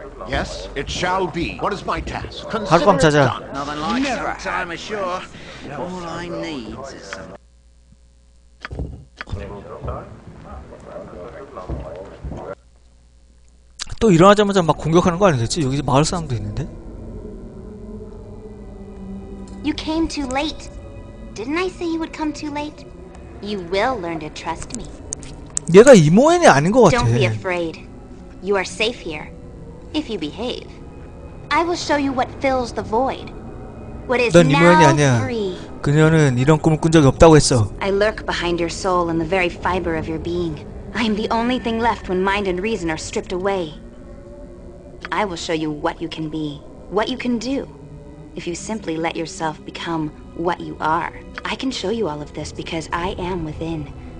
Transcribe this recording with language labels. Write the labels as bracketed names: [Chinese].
[English] Yes, it shall be. What is my task? Consider it done. Never. I'm sure. All I need is some. [Korean] 또 일어나자마자 막 공격하는 거 아니겠지? 여기 마을 사람도 있는데. [English] You came too late. Didn't I say you would come too late? You will learn to trust me. [Korean] 얘가 이모엔이 아닌 것 같아. [English] Don't be afraid. You are safe here. If you behave, I will show you what fills the void. What is now free. [Korean] 그녀는 이런 꿈을 꾼 적이 없다고 했어. [English] I lurk behind your soul and the very fiber of your being. I am the only thing left when mind and reason are stripped away. I will show you what you can be, what you can do. If you simply let yourself become what you are, I can show you all of this because I am within.